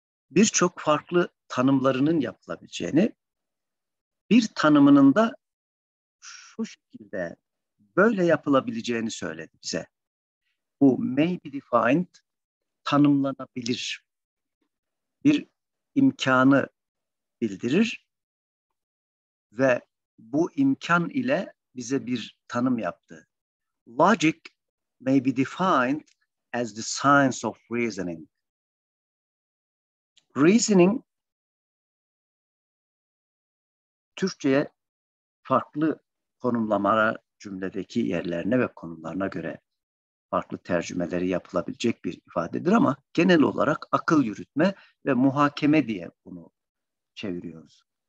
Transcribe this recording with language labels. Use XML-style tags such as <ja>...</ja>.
<tr>Birçok farklı tanımlarının yapılabileceğini, bir tanımının da şu şekilde böyle yapılabileceğini söyledi bize. Bu</tr> <en>may be defined,</en> <tr>tanımlanabilir bir imkanı bildirir ve bu imkan ile bize bir tanım yaptı.</tr> <en>Logic may be defined as the science of reasoning.</en> <tr>Reasoning, Türkçe'ye farklı konumlamalar cümledeki yerlerine ve konumlarına göre farklı tercümeleri yapılabilecek bir ifadedir ama genel olarak akıl yürütme ve muhakeme diye bunu çeviriyoruz.</tr>